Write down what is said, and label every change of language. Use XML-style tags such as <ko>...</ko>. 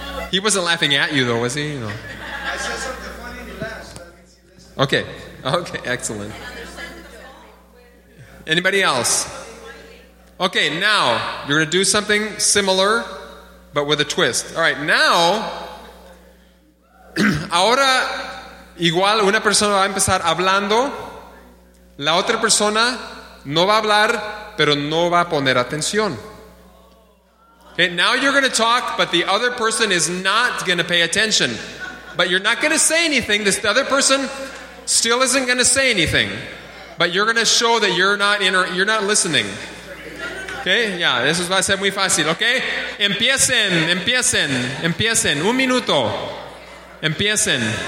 <en>He wasn't laughing at you, though, was he? You know. I said something funny and he laughed, so that means he listened. Okay, excellent. Anybody else? Okay, now you're going to do something similar, but with a twist. All right, now</en> <es>Ahora, igual una persona va a empezar hablando, la otra persona no va a hablar, pero no va a poner atención.</es> <en>Okay, now you're going to talk, but the other person is not going to pay attention. But you're not going to say anything. This other person still isn't going to say anything. But you're going to show that you're not listening. Okay, yeah, this is going to be</en> <es>muy fácil,</es> <en>okay?</en> <es>Empiecen. Un minuto. Empiecen.</es>